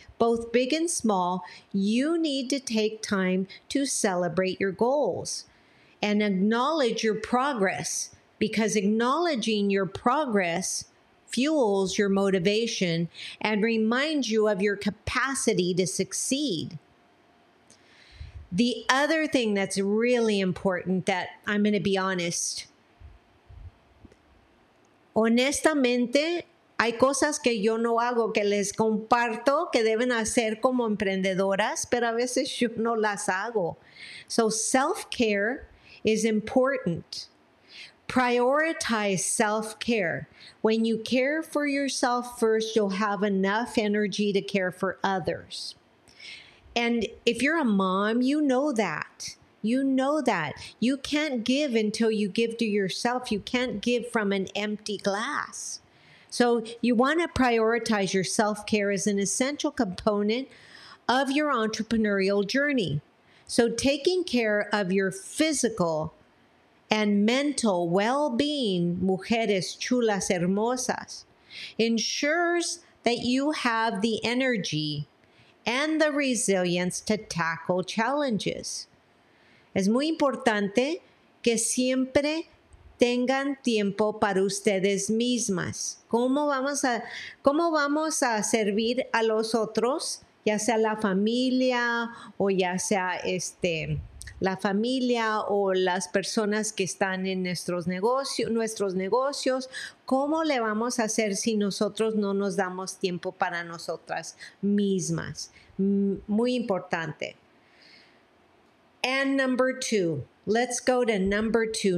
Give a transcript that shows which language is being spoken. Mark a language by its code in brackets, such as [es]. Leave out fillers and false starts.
[en] Both big and small, you need to take time to celebrate your goals and acknowledge your progress, because acknowledging your progress fuels your motivation and reminds you of your capacity to succeed. The other thing that's really important that I'm going to be honest. [es] Honestamente, hay cosas que yo no hago que les comparto que deben hacer como emprendedoras, pero a veces yo no las hago. [en] So self-care is important. Prioritize self-care. When you care for yourself first, you'll have enough energy to care for others. And if you're a mom, you know that. You know that. You can't give until you give to yourself. You can't give from an empty glass. So you want to prioritize your self-care as an essential component of your entrepreneurial journey. So taking care of your physical and mental well-being, [es] mujeres chulas hermosas, [en] ensures that you have the energy and the resilience to tackle challenges. [es] Es muy importante que siempre tengan tiempo para ustedes mismas. ¿Cómo vamos a servir a los otros? Ya sea la familia o ya sea la familia o las personas que están en nuestros negocios, ¿cómo le vamos a hacer si nosotros no nos damos tiempo para nosotras mismas? Muy importante. [en] And number two, let's go to number two.